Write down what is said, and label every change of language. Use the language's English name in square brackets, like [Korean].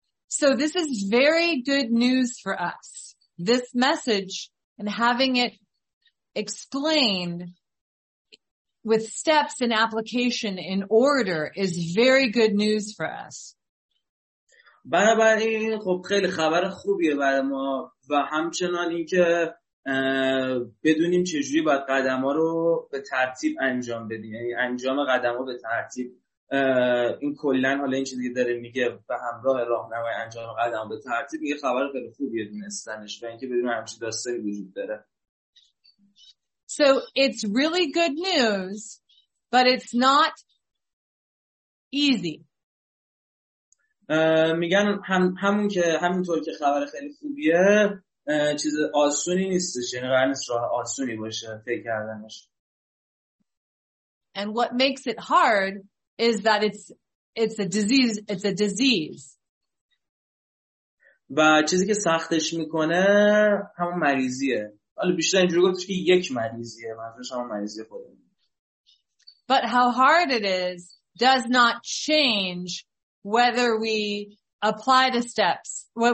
[English] So this is very good news for us. This message and having it explained with steps and application in order is very good news for us. [Persian] بنابراین خب خیلی خبر خوبیه برای ما و همچنان این که بدونیم چجوری باید قدم ها رو به ترتیب انجام بدیم، یعنی انجام قدم ها به ترتیب، این کلن حالا این چیزی داره میگه به همراه راه نمای انجام قدم به ترتیب میگه خبر خیلی خوبیه دونستنش و اینکه بدون همچی داستانی وجود داره. [English] So it's really good news but it's not easy. [Persian] میگن همون که همینطور که خبر خیلی خوبیه چیز آسونی نیستش، یعنی قرار نیست راه آسونی باشه فکر کردنش. [English] And what makes it hard is that it's a disease. [Persian] و چیزی که سختش میکنه همون مریضیه. حالا بیشتر اینجوری گفتش که یک مریضیه، منظورش همون مریضی خودم. [English] But how hard it is does not change whether we apply the steps.